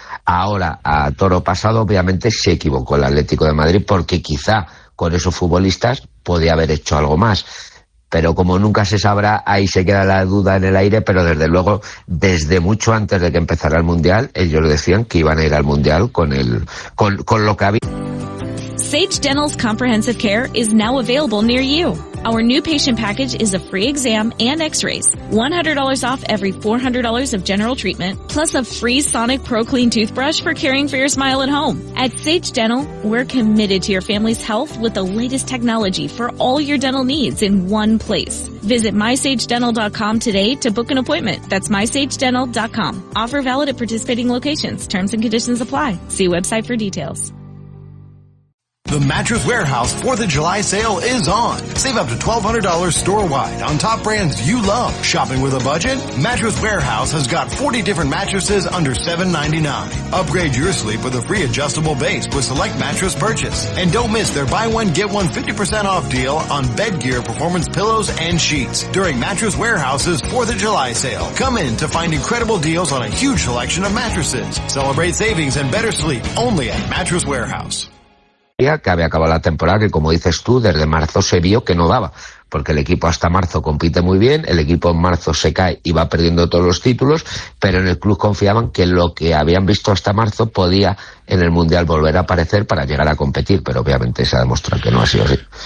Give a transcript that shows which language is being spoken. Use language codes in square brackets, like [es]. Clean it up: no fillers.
[es] Ahora, a toro pasado, obviamente se equivocó el Atlético de Madrid, porque quizá con esos futbolistas podía haber hecho algo más. Pero como nunca se sabrá, ahí se queda la duda en el aire, pero desde luego, desde mucho antes de que empezara el Mundial, ellos decían que iban a ir al Mundial con lo que había. [en] Sage Dental's Comprehensive Care is now available near you. Our new patient package is a free exam and x-rays, $100 off every $400 of general treatment, plus a free Sonic Pro Clean toothbrush for caring for your smile at home. At Sage Dental, we're committed to your family's health with the latest technology for all your dental needs in one place. Visit MySageDental.com today to book an appointment. That's MySageDental.com. Offer valid at participating locations. Terms and conditions apply. See website for details. The Mattress Warehouse 4th of July sale is on. Save up to $1,200 store-wide on top brands you love. Shopping with a budget? Mattress Warehouse has got 40 different mattresses under $799. Upgrade your sleep with a free adjustable base with select mattress purchase. And don't miss their buy one, get one 50% off deal on bed gear, performance pillows, and sheets during Mattress Warehouse's 4th of July sale. Come in to find incredible deals on a huge selection of mattresses. Celebrate savings and better sleep only at Mattress Warehouse. [es] Que había acabado la temporada, que como dices tú, desde marzo se vio que no daba, porque el equipo hasta marzo compite muy bien, el equipo en marzo se cae y va perdiendo todos los títulos, pero en el club confiaban que lo que habían visto hasta marzo podía en el Mundial volver a aparecer para llegar a competir, pero obviamente se ha demostrado que no ha sido así.